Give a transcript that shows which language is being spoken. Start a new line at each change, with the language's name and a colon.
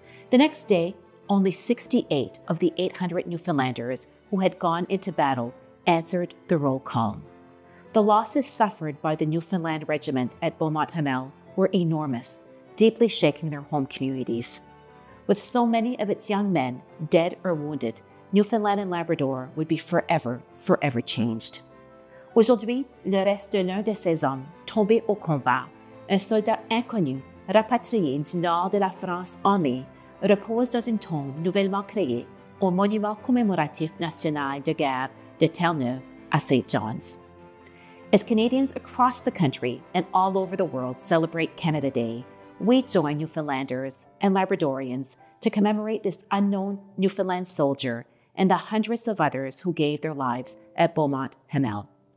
English: The next day, only 68 of the 800 Newfoundlanders who had gone into battle answered the roll call. The losses suffered by the Newfoundland Regiment at Beaumont Hamel were enormous, deeply shaking their home communities. With so many of its young men dead or wounded, Newfoundland and Labrador would be forever, forever changed.
French: Aujourd'hui, le reste de l'un de ces hommes tombé au combat, un soldat inconnu rapatrié du nord de la France en mai, repose dans une tombe nouvellement créée au Monument Commémoratif National de Guerre de Terre-Neuve à St.
English: John's. As Canadians across the country and all over the world celebrate Canada Day, we join Newfoundlanders and Labradorians to commemorate this unknown Newfoundland soldier and the hundreds of others who gave their lives at Beaumont Hamel.